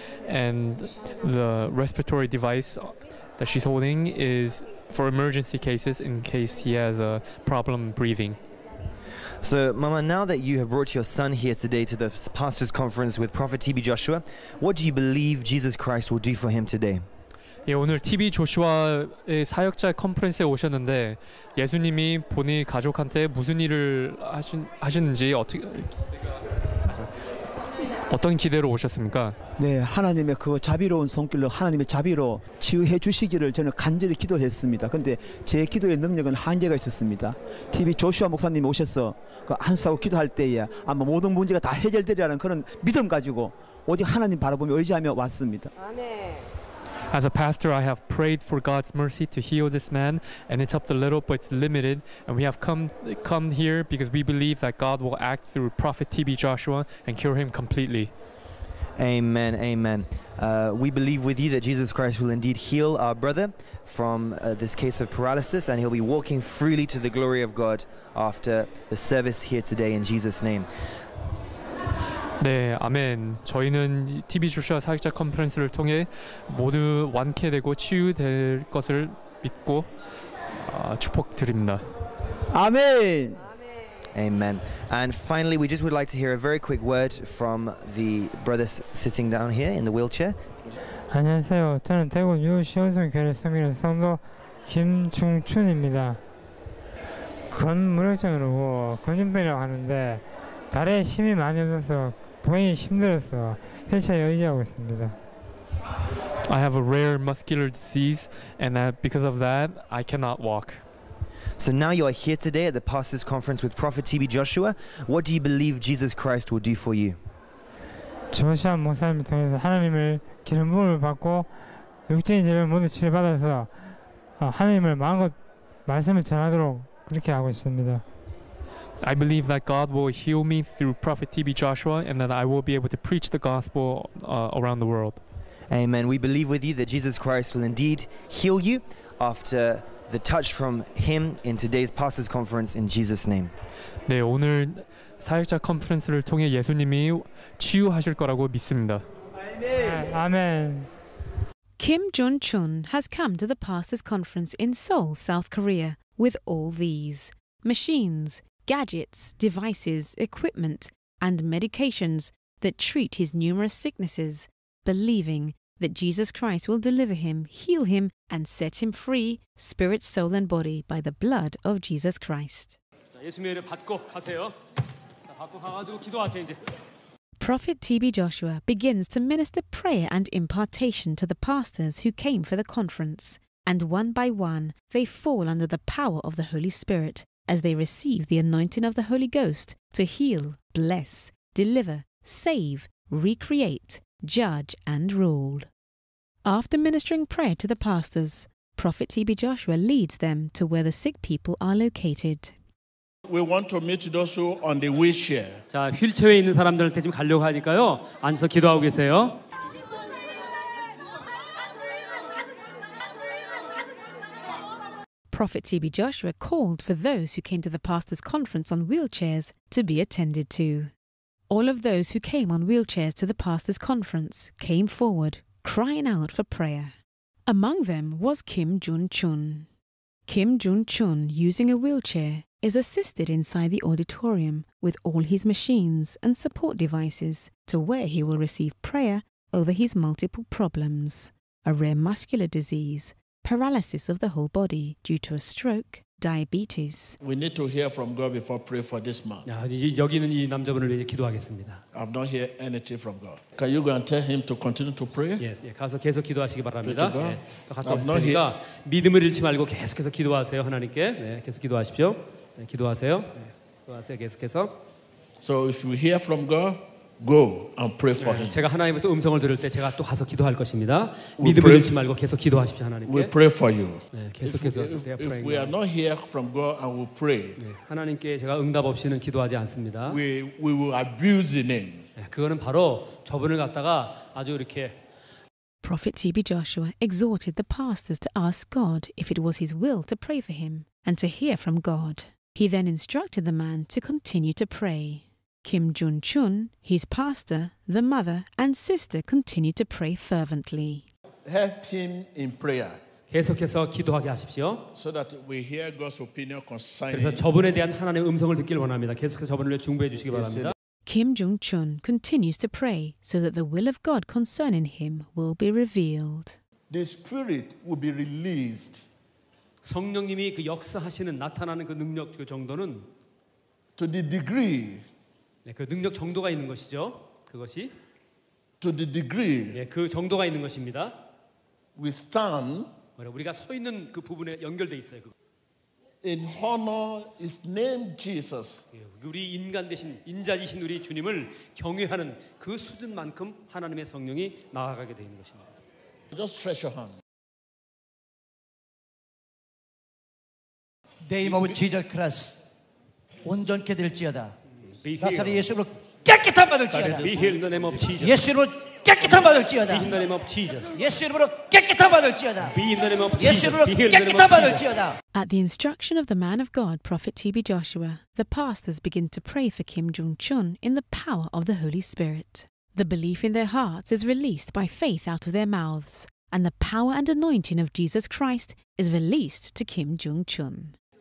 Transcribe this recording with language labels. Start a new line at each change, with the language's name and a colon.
English: And the respiratory device that she's holding is for emergency cases in case he has a problem breathing. So, Mama, now that you have brought your son here today to the pastor's conference with Prophet T.B. Joshua, what do you believe Jesus Christ will do for him today?
Korean: 예, 오늘 T.B. 조슈아의 사역자 컨퍼런스에 오셨는데 예수님이 본인 가족한테 무슨 일을 하시는지 어떤 기대로 오셨습니까? 네, 하나님의 그 자비로운 손길로 하나님의 자비로 치유해 주시기를 저는 간절히 기도했습니다. 그런데 제 기도의 능력은 한계가 있었습니다. TV 조슈아 목사님이 오셔서 그 안수하고 기도할 때에 아마 모든 문제가 다 해결되리라는 그런 믿음 가지고 오직 하나님 바라보며 의지하며 왔습니다. 아멘.
English: As a pastor, I have prayed for God's mercy to heal this man, and it helped a little, but it's limited. And we have come here because we believe that God will act through Prophet TB Joshua and cure him completely. Amen, amen. We believe with you that Jesus Christ will indeed heal our brother from this case of paralysis, and he'll be walking freely to the glory of God after the service here today in Jesus' name.
Korean: 네, 아멘. 저희는 TB 조슈아 사역자 컨퍼런스를 통해 모두 완쾌되고 치유될 것을 믿고 축복드립니다. 아멘.
English: Amen. And finally, we just would like to hear a very quick word from the brother sitting down here in the wheelchair.
Korean: 안녕하세요. 저는 대구 유시원성 교회 섬기는 성도 김중춘입니다. 근무력증으로 근육병이라고 하는데 다리에 힘이 많이 없어서 보행이 힘들어서 휠체어 의지하고 있습니다.
English: I have a rare muscular disease, and that because of that, I cannot walk. So now you are here today at the Pastors Conference with Prophet TB Joshua. What do you believe Jesus Christ will do for you?
Korean: 조슈아 목사님 통해서 하나님을 기름 부음을 받고 육적인 질병 모두 치료받아서 하나님을 마음껏 말씀을 전하도록 그렇게 하고 싶습니다.
English: I believe that God will heal me through Prophet TB Joshua, and that I will be able to preach the gospel around the world. Amen. We believe with you that Jesus Christ will indeed heal you after the touch from Him in today's pastors' conference in Jesus' name.
Korean: 네, 오늘 사역자 컨퍼런스를 통해 예수님이 치유하실 거라고 믿습니다.
English: Amen. Kim Jong-chun has come to the pastors' conference in Seoul, South Korea, with all these machines, gadgets, devices, equipment, and medications that treat his numerous sicknesses, believing that Jesus Christ will deliver him, heal him, and set him free, spirit, soul, and body, by the blood of Jesus Christ.
Korean: 자, 예수님의 이름 받고 가세요. 자, 받고 가가지고 기도하세요, 이제.
English: Prophet TB Joshua begins to minister prayer and impartation to the pastors who came for the conference, and one by one, they fall under the power of the Holy Spirit as they receive the anointing of the Holy Ghost to heal, bless, deliver, save, recreate, judge, and rule. After ministering prayer to the pastors, Prophet TB Joshua leads them to where the sick people are located. We want to meet those who are on the wheelchair.
Korean: 자, 휠체어에 있는 사람들 대신 가려고 하니까요. 앉아서 기도하고 계세요.
English: Prophet TB Joshua called for those who came to the pastors' conference on wheelchairs to be attended to. All of those who came on wheelchairs to the pastors' conference came forward, crying out for prayer. Among them was Kim Jong-chun. Kim Jong-chun, using a wheelchair, is assisted inside the auditorium with all his machines and support devices to where he will receive prayer over his multiple problems, a rare muscular disease, paralysis of the whole body due to a stroke, diabetes. We need to hear from God before pray for this man.
Korean: 야, 여기는 이 남자분을 위해 기도하겠습니다.
English: I've not heard anything from God. Can you go and tell him to continue to pray?
Korean: Yes, 예, 가서 계속 기도하시기 바랍니다. 예, 갔다 오실 테니까 믿음을 잃지 말고 계속해서 기도하세요, 하나님께. 네, 계속 기도하십시오. 네, 기도하세요. 네, 기도하세요, 계속해서.
English: So if you hear from God, go and pray for him.
Korean: 제가 하나님의 또 음성을 들을 때 제가 또 가서 기도할 것입니다. 믿음을 잃지 말고 계속 기도하십시오, 하나님께.
English: We pray for you.
Korean: 네, 계속해서
English: if we are not hear from God and we pray.
Korean: 네, 하나님께 제가 응답 없이는 기도하지 않습니다.
English: We will abuse him. 네,
Korean: 그거는 바로 저분을 갖다가 아주 이렇게
English: Prophet TB Joshua exhorted the pastors to ask God if it was his will to pray for him and to hear from God. He then instructed the man to continue to pray. Kim Jong-chun, his pastor, the mother, and sister continue to pray fervently. Help him in prayer.
Korean: 계속해서 기도하게 하십시오.
English: So that we hear God's opinion concerning.
Korean: 그래서 저분에 대한 하나님의 음성을 듣길 원합니다. 계속해서 저분을 위해 중보해 주시기 바랍니다.
English: Kim Jong-chun continues to pray so that the will of God concerning him will be revealed. The Spirit will be released.
Korean: 성령님이 그 역사하시는 나타나는 그 능력 그 정도는
English: to the degree.
Korean: 네, 그 능력 정도가 있는 것이죠. 그것이
English: to the degree.
Korean: 네, 그 정도가 있는 것입니다.
English: We stand.
Korean: 그래, 우리가 서 있는 그 부분에 연결돼 있어요. 그거.
English: In honor is named Jesus.
Korean: 네, 우리 인간 대신 인자이신 우리 주님을 경외하는 그 수준만큼 하나님의 성령이 나아가게 되어 있는 것입니다.
English: Just stretch your hand. Name of Jesus Christ.
Korean: 온전케 될지어다. 나사리 예수로 깨끗함 받을지어다. 예수로 깨끗함 받을지어다. 예수로 깨끗함 받을지어다. 예수로 깨끗함 받을지어다.
English: At the instruction of the man of God, Prophet TB Joshua, the pastors begin to pray for Kim Jong-chun in the power of the Holy Spirit. The belief in their hearts is released by faith out of their mouths, and the power and anointing of Jesus Christ is released to Kim Jong-chun.